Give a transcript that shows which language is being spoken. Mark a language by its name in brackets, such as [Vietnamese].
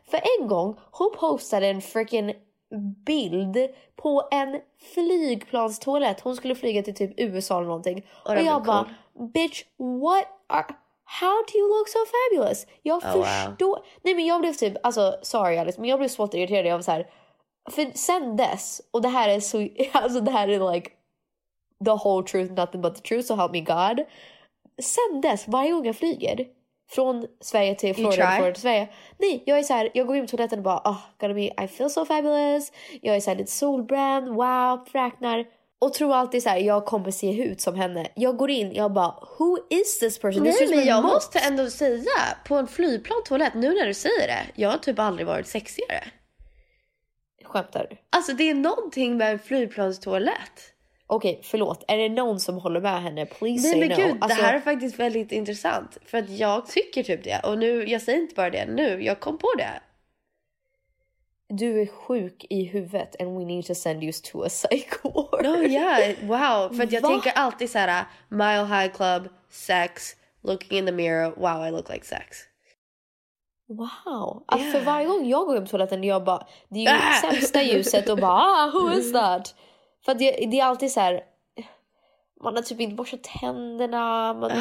[Swedish] För en gång, hon postade en freaking bild på en flygplanstoalett. Hon skulle flyga till typ USA eller någonting. Och jag bara, [English] bitch, what are... How do you look so fabulous? [Swedish] Jag förstår... Wow. Nej, men jag blev typ... Alltså, sorry Alice, men jag blev svårt irriterad. Jag var så här... För sen dess, och det här är så... Alltså, det här är like... [English] The whole truth, nothing but the truth, so help me God. [Swedish] Sen dess, varje gång jag flyger... Från Sverige till Florida, från Sverige. Nej, jag är så här, jag går in på toaletten och bara, [English] oh, gotta be, I feel so fabulous. [Swedish] Jag är så här, lite solbränd, wow, fräknar. Och tror alltid så här, jag kommer se ut som henne. Jag går in, jag bara, [English] who is this person? [Swedish] Nej, men jag måste ändå säga, på en flygplan toalett, nu när du säger det, jag har typ aldrig varit sexigare. Skämtar du? Alltså, det är någonting med en flygplanstoalett. Okej, förlåt. Är det någon som håller med henne? [English] Please [Swedish] nej, [English] say [Swedish] men [English] no. [Swedish] Gud, alltså... Det här är faktiskt väldigt intressant. För att jag tycker typ det. Och nu, jag säger inte bara det nu. Jag kom på det. Du är sjuk i huvudet. [English] And we need to send you to a psych ward. No, yeah. Wow. [Swedish] För att jag tänker alltid så här: [English] Mile High Club, sex, looking in the mirror. Wow, I look like sex. Wow. [Swedish] Alltså för varje gång jag går på toaletten, jag bara, det är ju sämsta ljuset och bara, [English] ah, who is that? [Swedish] För att det är alltid så här, man har typ inte borstat tänderna.